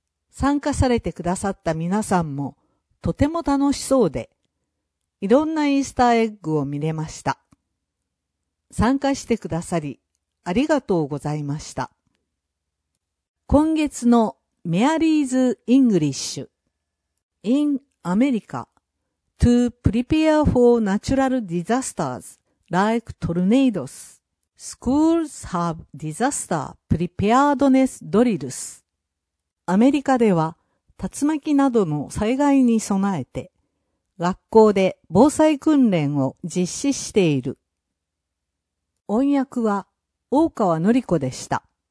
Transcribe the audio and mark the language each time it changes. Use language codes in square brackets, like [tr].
[ja] 参加されてくださった皆さんも、とても楽しそうで、いろんなイースターエッグを見れました。参加してくださり、ありがとうございました。今月のメアリーズ・イングリッシュ。 [en] In America, to prepare for natural disasters like tornadoes, schools have disaster preparedness drills. [ja] アメリカでは、竜巻などの災害に備えて、学校で防災訓練を実施している。翻訳は大川のり子でした。